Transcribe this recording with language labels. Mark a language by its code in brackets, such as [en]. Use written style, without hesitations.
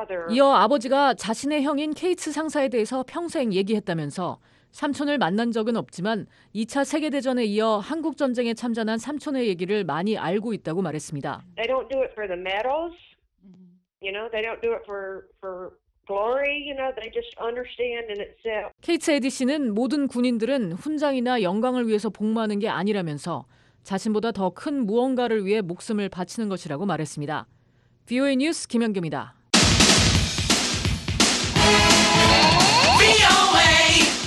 [ko] 이어 아버지가 자신의 형인 케이츠 상사에 대해서 평생 얘기했다면서 삼촌을 만난 적은 없지만 2차 세계대전에 이어 한국전쟁에 참전한 삼촌의 얘기를 많이 알고 있다고 말했습니다. [en] They don't do it for the medals. You know, they don't do it for glory. You know, they just understand in itself. [ko] 케이츠 에디 씨는 모든 군인들은 훈장이나 영광을 위해서 복무하는 게 아니라면서 자신보다 더 큰 무언가를 위해 목숨을 바치는 것이라고 말했습니다. VOA 뉴스 김연경입니다. VOA